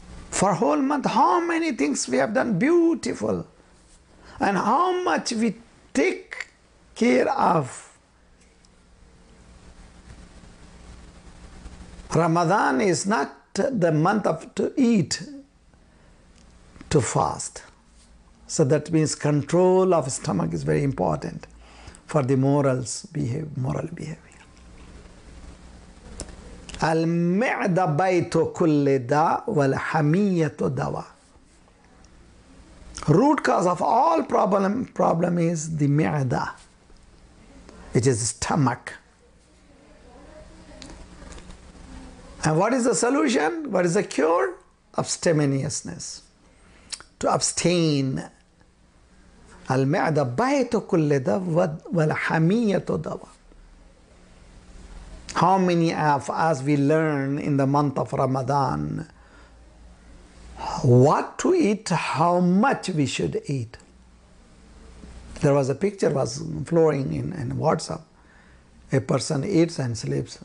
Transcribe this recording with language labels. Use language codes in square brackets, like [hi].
[en] For whole month, how many things we have done beautiful, and how much we take care of Ramadan. Is not the month of to eat, to fast. So that means control of stomach is very important for the morals moral behavior. [ar] المعدة بيت كل داء والحمية دواء. [en] Root cause of all problem is the معدة, which is stomach. And what is the solution? What is the cure? Abstemiousness. To abstain. [ar] المعدة بيت كل داء والحمية دواء. [en] How many of us we learn in the month of Ramadan what to eat, how much we should eat? There was a picture was flowing in WhatsApp. A person eats and sleeps.